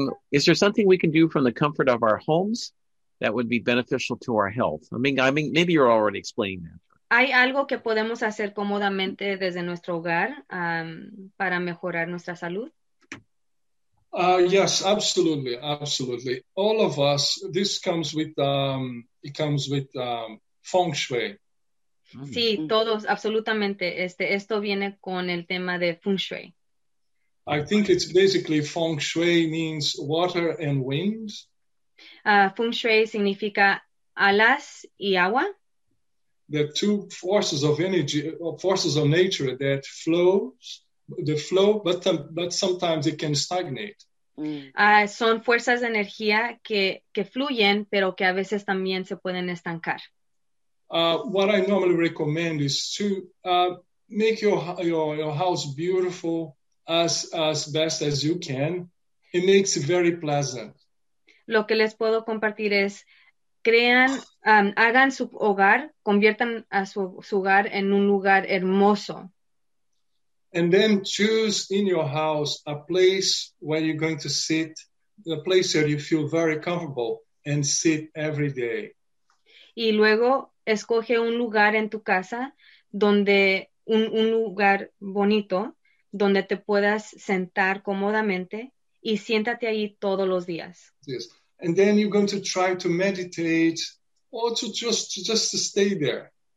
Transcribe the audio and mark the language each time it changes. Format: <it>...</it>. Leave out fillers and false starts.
<en>is there something we can do from the comfort of our homes that would be beneficial to our health? I mean, maybe you're already explaining that.</en> <es>¿Hay algo que podemos hacer cómodamente desde nuestro hogar para mejorar nuestra salud?</es> <en>Yes, absolutely, absolutely. All of us, this comes with feng shui.</en> <es>Sí, todos, absolutamente. Esto viene con el tema de feng shui.</es> <en>I think it's basically feng shui means water and wind.</en> <es>Feng shui significa alas y agua.</es> <en>The two forces of energy, or forces of nature that flows, the flow, but sometimes it can stagnate.</en> <es>Son fuerzas de energía que fluyen, pero que a veces también se pueden estancar.</es> <en>What I normally recommend is to make your house beautiful as best as you can. It makes it very pleasant.</en> <es>Lo que les puedo compartir es hagan su hogar, conviertan a su hogar en un lugar hermoso.</es> <en>And then choose in your house a place where you're going to sit, a place where you feel very comfortable and sit every day.</en> <es>Y luego escoge un lugar en tu casa donde un lugar bonito donde te puedas sentar cómodamente y siéntate ahí todos los días.</es> <en>Yes. And then you're going to try to meditate or to just stay there.</en>